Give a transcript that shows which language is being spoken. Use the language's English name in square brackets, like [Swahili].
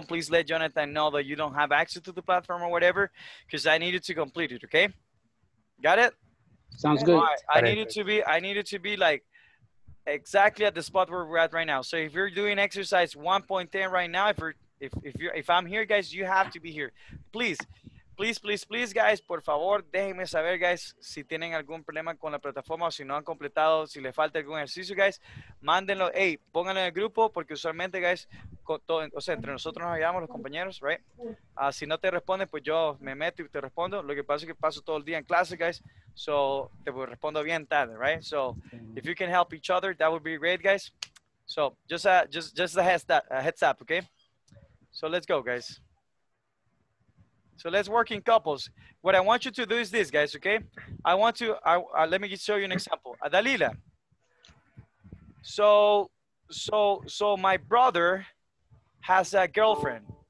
[English] Please let Jonathan know that you don't have access to the platform or whatever, because I need you to complete it, okay? Got it? Sounds good. I need it to be like exactly at the spot where we're at right now. So if you're doing exercise 1.10 right now, if I'm here, guys, you have to be here. Please, please, please, please, guys, [Spanish] por favor, déjenme saber, guys, si tienen algún problema con la plataforma o si no han completado, si les falta algún ejercicio, guys, mándenlo, hey, pónganlo en el grupo, porque usualmente, guys, entre nosotros nos ayudamos, los compañeros, right? Si no te responden, pues yo me meto y te respondo. Lo que pasa es que paso todo el día en clase, guys, so te respondo bien tarde, right? [English] So if you can help each other, that would be great, guys. So just a heads up, okay? So let's go, guys. So let's work in couples. What I want you to do is this, guys, okay? Let me show you an example. Dalila. So my brother has a girlfriend.